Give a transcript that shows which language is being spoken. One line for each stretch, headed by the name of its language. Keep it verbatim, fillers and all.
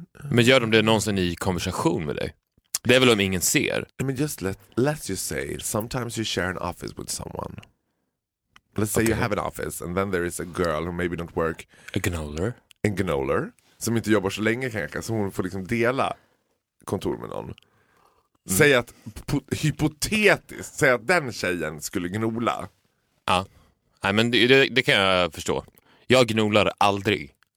Swedish: Men gör de det någonsin i konversation med dig? Det är väl om ingen ser.
English: I mean, just let, let's just say, sometimes you share an office with someone. Let's say you Okay. have an office and then there is a girl who maybe don't work, A gnoller.
Swedish: en gnoler, som inte jobbar så länge kanske, så hon får liksom dela kontor med någon. Säg att, po- hypotetiskt, säg att den tjejen skulle gnola. Ja. Nej, men det, det, det kan jag förstå. Jag gnolar aldrig.